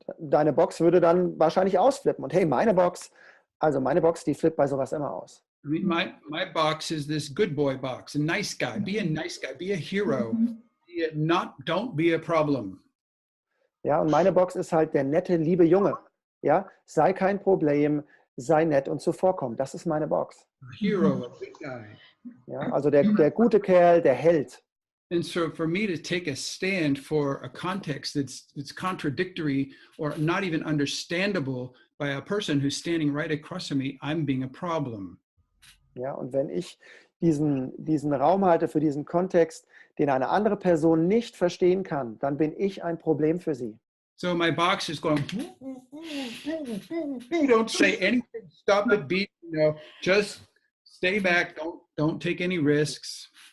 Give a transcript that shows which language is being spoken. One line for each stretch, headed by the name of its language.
German: Deine Box würde dann wahrscheinlich ausflippen. Und hey, meine Box, die flippt bei sowas immer aus.
English: I mean, my box is this good boy box, a nice guy. Be a nice guy, be a hero. Don't be a problem.
German: Ja, und meine Box ist halt der nette, liebe Junge. Ja, sei kein Problem, sei nett und zuvorkommend. Das ist meine Box.
English: A hero, a big guy.
German: Ja, also der gute Kerl, der Held.
English: And so for me to take a stand for a context that's contradictory or not even understandable by a person who's standing right across from me, I'm being a problem.
German: Ja, und wenn ich diesen Raum halte für diesen Kontext, den eine andere Person nicht verstehen kann, dann bin ich ein Problem für sie.
English: So my box is going, don't say anything, stop the beat, you know, just stay back, don't take any risks.